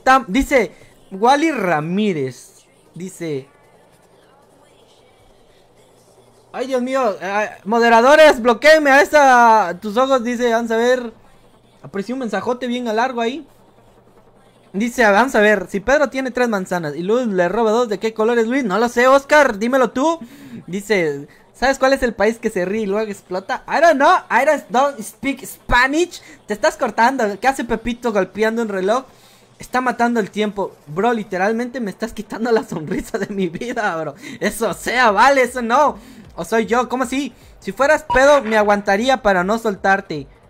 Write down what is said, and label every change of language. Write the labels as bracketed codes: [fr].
[es] Dice Wally Ramírez. Dice, ay, Dios mío, moderadores, bloquéenme a esa. Tus ojos, dice, vamos a ver. Apareció un mensajote bien a largo ahí. Dice, vamos a ver, si Pedro tiene tres manzanas y Luis le roba dos, ¿de qué color es Luis? No lo sé, Oscar, dímelo tú. Dice, ¿sabes cuál es el país que se ríe y luego explota? [en] I don't know, I don't speak Spanish. [es] Te estás cortando, ¿qué hace Pepito golpeando un reloj? Está matando el tiempo. Bro, literalmente me estás quitando la sonrisa de mi vida, bro. Eso sea, vale, eso no. O soy yo, ¿cómo así? Si fueras pedo, me aguantaría para no soltarte.